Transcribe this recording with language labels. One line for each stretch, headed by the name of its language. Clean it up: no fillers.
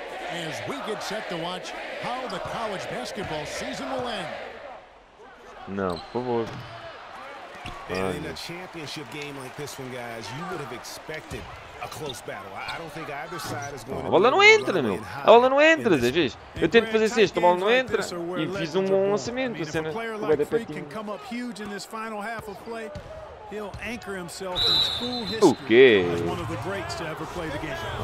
English: as we get set to watch how the college basketball season will end.
Portuguese: Não, por favor.
English: And in a championship game like this one, guys, you would have expected a close battle. I don't think either side is going to.
Portuguese: A bola não entra, meu. A bola não entra, Zé, vês? Eu tento fazer sexto, a bola não entra. E fiz um bom lançamento, a cena do Bedepetinho.
English: Can come up huge in this final half of play. He'll anchor himself in school history. Okay. One of the greats to ever play the game.